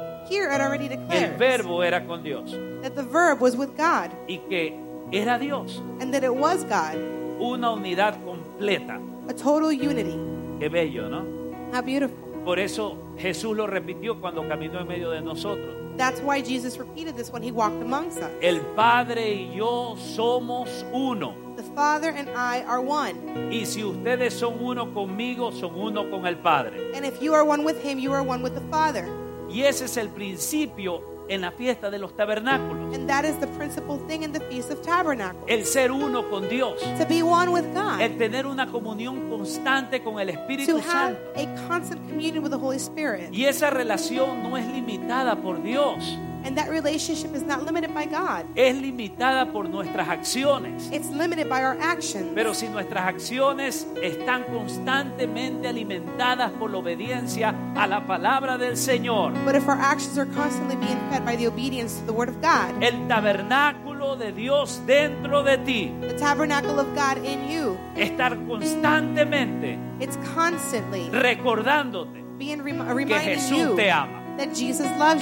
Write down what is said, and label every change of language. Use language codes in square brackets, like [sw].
[en] Here it already declares. [es] El verbo era con Dios. [en] That the verb was with God. [es] Y que era Dios. [en] And that it was God. [es] Una unidad completa. [en] A total unity. [es] Qué bello, ¿no? [en] How beautiful. [es] Por eso Jesús lo repitió cuando caminó en medio de nosotros. [en] That's why Jesus repeated this when he walked amongst us. [es] El Padre y yo somos uno. [en] The Father and I are one. [es] Y si ustedes son uno conmigo, son uno con el Padre. [en] And if you are one with him, you are one with the Father. [es] Y ese es el principio en la fiesta de los tabernáculos. [en] And that is the principal thing in the Feast of Tabernacles. [es] El ser uno con Dios. [en] To be one with God. [es] El tener una comunión constante con el Espíritu Santo. [en] To have a constant communion with the Holy Spirit. [es] Y esa relación no es limitada por Dios. [en] And that relationship is not limited by God. [es] Es limitada por nuestras acciones. [en] It's limited by our actions. [es] Pero si nuestras acciones están constantemente alimentadas por la obediencia a la palabra del Señor. [en] But if our actions are constantly being fed by the obedience to the word of God. [es] El tabernáculo de Dios dentro de ti. [en] The tabernacle of God in you. [es] Estar constantemente. [en] It's constantly. [es] Recordándote. [en] Being [es] que Jesús [en] you [es] te ama. [en] that Jesus loves